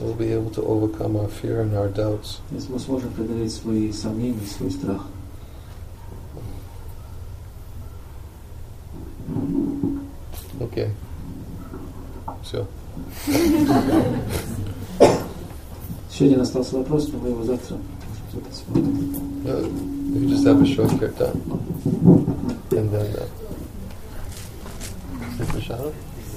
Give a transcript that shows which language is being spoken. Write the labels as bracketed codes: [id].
[en] We'll be able to overcome our fear and our doubts. [ru] И мы сможем преодолеть свои сомнения и свой страх. Okay. Все. Еще один остался вопрос, но мы его завтра посмотрим. [en] You just have a short cut down. And then... Thank you.